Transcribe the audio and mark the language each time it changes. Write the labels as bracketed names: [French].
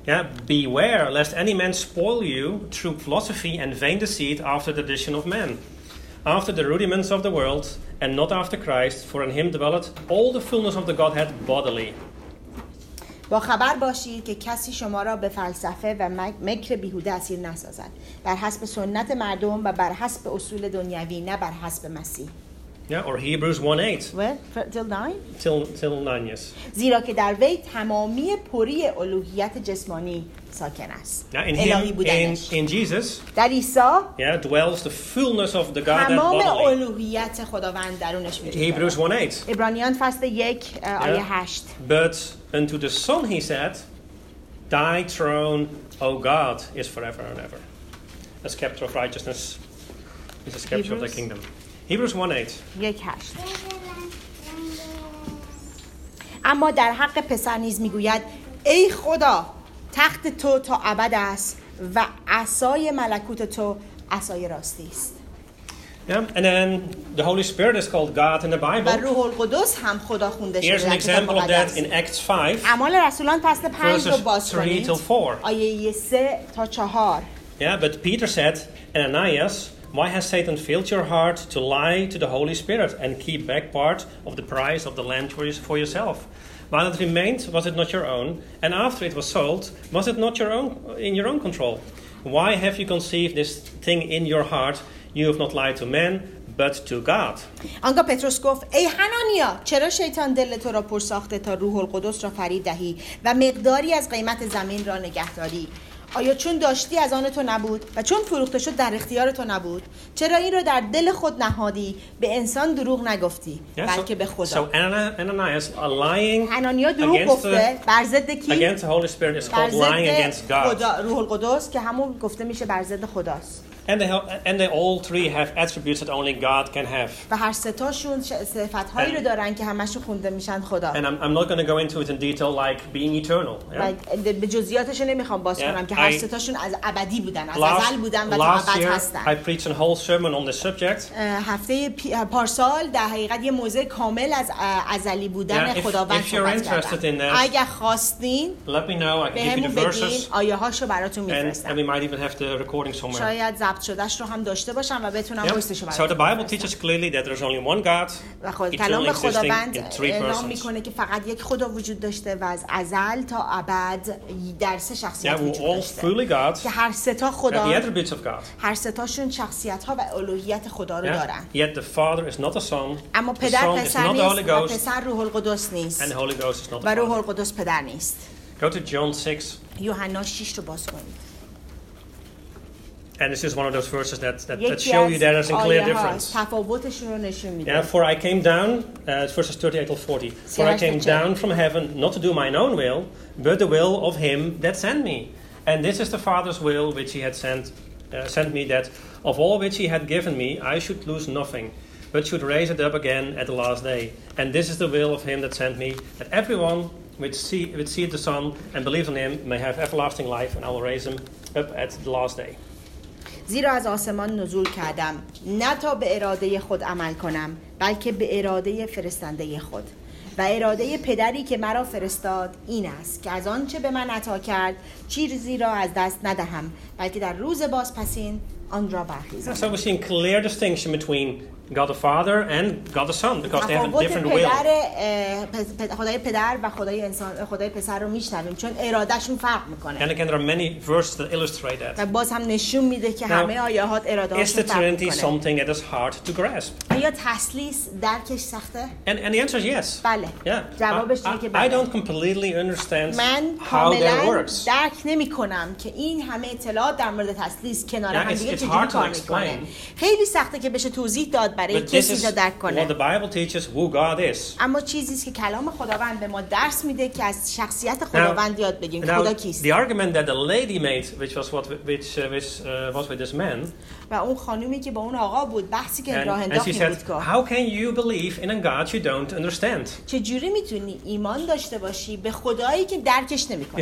[English] Yeah, beware lest any man spoil you through philosophy and vain deceit after the tradition of men, after the rudiments of the world, and not after Christ, for in him dwelleth all the fullness of the Godhead bodily. [Persian] با خبر باشید که کسی شما را به فلسفه و مکر بیهوده اسیر نسازد، بر حسب سنت مردم و بر حسب اصول دنیوی، نه بر حسب مسیح. [English] Yeah, or Hebrews 1:8. What? Till 9? Till 9, yes. [Persian] زیرا که در وی تمامی پوری الوهیت جسمانی ساکن است. [English] Now in him, in Jesus, [Persian] در عیسا, [English] yeah, dwells the fullness of the Godhead bodily. [Persian] تمام الوهیت خداوند درونش وجود داره. [English] Hebrews 1:8. [Persian] عبرانیان فصل 1 آیه 8. [English] But unto the Son he said, Thy throne, O God, is forever and ever. A scepter of righteousness is a scepter of the kingdom. Hebrews 1:8. [Persian] یک هشت. اما در حق پسر نیز میگوید ای خدا تخت تو تا ابد است و عصای ملکوت تو عصای راستی است. [English] Yeah, and then the Holy Spirit is called God in the Bible. [Persian] روح القدس هم خدا خونده شده. [English] Here's an example of that in Acts 5. [Persian] اعمال رسولان فصل 5 رو باز کنید. آیه 3 تا 4. [English] Yeah, but Peter said, Ananias, why has Satan filled your heart to lie to the Holy Spirit and keep back part of the price of the land for yourself? While it remained, was it not your own? And after it was sold, was it not your own in your own control? Why have you conceived this thing in your heart? You have not lied to men, but to God. [Persian] آنگاه پتروس گفت: ای حنانیا، چرا شیطان دل تو را پرساخته تا روح القدس را فریب دهی و مقداری از قیمت زمین را نگهداری؟ آیا چون داشتی از آن تو نبود و چون فروخته شد در اختیار تو نبود؟ چرا این را در دل خود نهادی؟ به انسان دروغ نگفتی، بلکه به خدا. [English] So Ananias lying. [Persian] حنانیا دروغ گفته بر ضد کی؟ [English] Against the Holy Spirit is called lying against God. [Persian] خدا، روح القدس که همون گفته میشه بر ضد خداست. [English] And they all three have attributes that only God can have. [Persian] و هر سه تاشون صفاتهایی رو دارن که همشون خونده میشن خدا. [English] And I'm not going to go into it in detail like being eternal. [Persian] Like به جزئیاتش نمیخوام باز کنم که هر سه تاشون از ابدی بودن، از ازل بودن و تا ابد هستن. [English] Last year I preached a whole sermon on this subject. [Persian] هفته پارسال در حقیقت یه موضوع کامل از ازلی بودن خداوند صحبت کردم. [English] If you're interested in that, [Persian] اگه خواستین، [English] let me know. I can give you the verses. [Persian] آیه هاشو براتون میفرستم. [English] And we might even have the recording somewhere. [Persian] شاید ثبت شدهش رو هم داشته باشم و بتونم پستش رو بذارم. [English] The Bible teaches clearly that there's only one God. [Persian] و کلام خداوند اعلام میکنه که فقط یک خدا وجود داشته و از ازل تا ابد در سه شخصیت وجود داشته. که هر سه تا خدا. [English] The attributes of God. [Persian] هر سه تاشون شخصیت ها و الوهیت خدا رو دارن. [English] Yet the Father is not the Son. [Persian] اما پدر پسر نیست. و پسر روح القدس نیست. [English] And the Holy Ghost is not the Father. [Persian] و روح القدس پدر نیست. [English] Go to John 6. [Persian] یوحنا 6 رو باز کنید. [English] And this is one of those verses that show you that there's a clear difference. Yeah, for I came down, verses 38 to 40. For I came down from heaven not to do mine own will, but the will of him that sent me. And this is the Father's will which he had sent me, that of all which he had given me, I should lose nothing, but should raise it up again at the last day. And this is the will of him that sent me, that everyone which see the Son and believe on him may have everlasting life, and I will raise him up at the last day. [Persian] زیرا از آسمان نزول کردم، نه تا به اراده خود عمل کنم، بلکه به اراده فرستنده خود. و اراده پدری که مرا فرستاد این است که از آنچه به من عطا کرد چیزی را از دست ندهم، بلکه در روز بازپسین آن را برخیزم. [English] So we're seeing clear distinction between God the Father and God the Son because they have a different will. [Persian] خدای پدر و خدای انسان، خدای پسر رو میشنویم چون ارادهشون فرق میکنه. [English] And again, there are many verses that illustrate that. [Persian] و باز هم نشون میده که همه آیات اراده‌شون فرق میکنه. [English] Is the Trinity something that is hard to grasp? [Persian] آیا تثلیث درکش سخته؟ [English] And the answer is yes. [Persian] بله. [English] Yeah. [Persian] جوابش اینه که بله. [English] I don't completely understand how that works. [Persian] من درک نمی‌کنم که این همه اطلاعات در مورد تثلیث کنار هم دیگه چجوری کار میکنه. خیلی سخته که بشه توضیح داد. [English] But this is what the Bible teaches who God is. [Persian] اما چیزی است که کلام خداوند به ما درس میده که از شخصیت خداوند یاد بگیم خدا کیست. [English] The argument that the lady made, which was with this man. [Persian] و اون خانومی که با اون آقا بود بحثی که راه انداختی بود که. [English] How can you believe in a God you don't understand? [Persian] چجوری میتونی ایمان داشته باشی به خدایی که درکش نمیکنی؟